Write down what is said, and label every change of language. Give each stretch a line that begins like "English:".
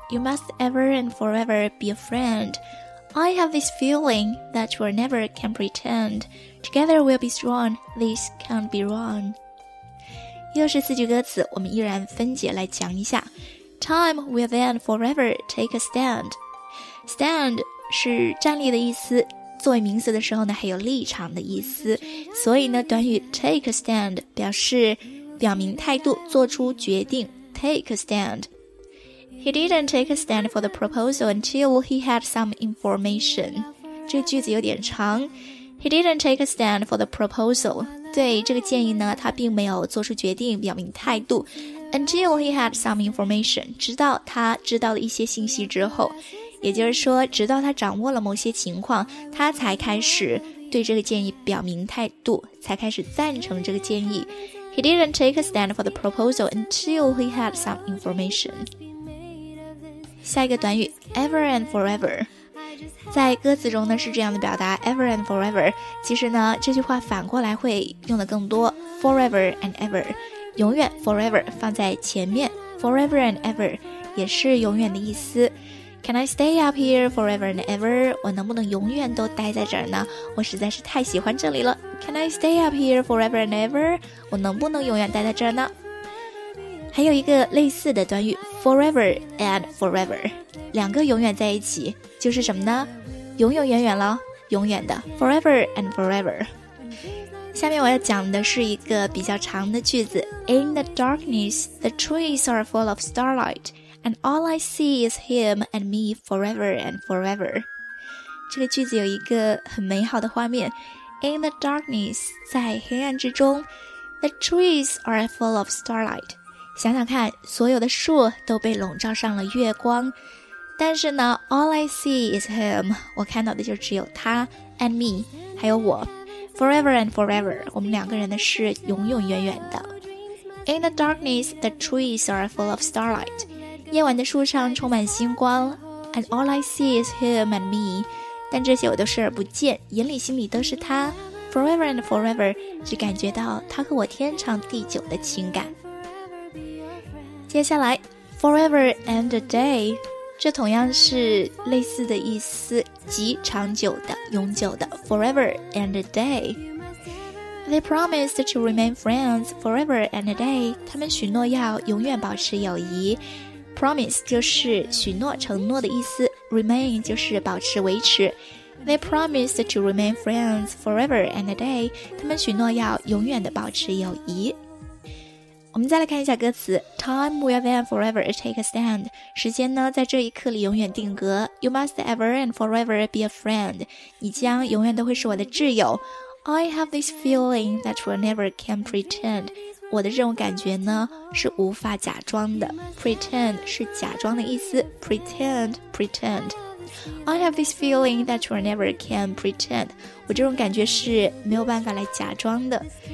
English: You must ever and forever be a friend. I have this feeling that you never can pretend. Together we'll be strong. This can't be wrong.
Chinese: 又是四句歌词，我们依然分解来讲一下。
English: Time will then forever take a stand.
Chinese: Stand 是站立的意思，作为名词的时候呢，还有立场的意思。所以呢，短语 take a stand 表示表明态度，做出决定。
English: Take a stand. He didn't take a stand for the proposal until he had some information.
Chinese: 这个句子有点长。
English: He didn't take a stand for the proposal.
Chinese: 对这个建议呢，他并没有做出决定，表明态度。
English: Until he had some information.
Chinese: 直到他知道了一些信息之后，也就是说，直到他掌握了某些情况，他才开始对这个建议表明态度，才开始赞成这个建议。
English: He didn't take a stand for the proposal until he had some information.
Chinese: 下一个短语 , ever and forever. 在歌词中呢是这样的表达 , ever and forever. 其实呢这句话反过来会用的更多 , forever and ever. 永远 ,forever, 放在前面 , forever and ever, 也是永远的意思。
English: Can I stay up here forever and ever?
Chinese: 我能不能永远都待在这儿呢？我实在是太喜欢这里了。
English: Can I stay up here forever and ever?
Chinese: 我能不能永远待在这儿呢？还有一个类似的短语 forever and forever, 两个永远在一起就是什么呢？永永远远了，永远的 forever and forever。下面我要讲的是一个比较长的句子 In the darkness, the trees are full of starlight.
English: And all I see is him and me forever and forever. 这个句子有一个很美好的画面。 In the darkness, 在黑暗之中 The trees are full of starlight.
Chinese: 想想看，所有的树都被笼罩上了月光，但是呢 All I see is him. 我看到的就只有他 And me, 还有我 Forever and forever, 我们两个人的事永永远远的。
English: In the darkness, the trees are full of starlight. 夜晚的树上充满星光 And all I see is him and me.
Chinese: 但这些我都视而不见，眼里心里都是他 Forever and forever, 只感觉到他和我天长地久的情感。接下来 Forever and a day, 这同样是类似的意思，即长久的、永久的 Forever and a day.
English: They promised to remain friends forever and a day.
Chinese: 他们许诺要永远保持友谊。Promise 就是许诺、承诺的意思。 Remain 就是保持、维持。
English: They promised to remain friends forever and a day.
Chinese: 他们许诺要永远的保持友谊。我们再来看一下歌词。 Time will then forever take a stand. 时间呢，在这一刻里永远定格。
English: You must ever and forever be a friend.
Chinese: 你将永远都会是我的挚友。
English: I have this feeling that will never can pretend.
Chinese: 我的这种感觉呢是无法假装的。Pretend 是假装的意思。
English: Pretend, pretend. I have this feeling that will never can pretend.
Chinese: 我这种感觉是没有办法来假装的。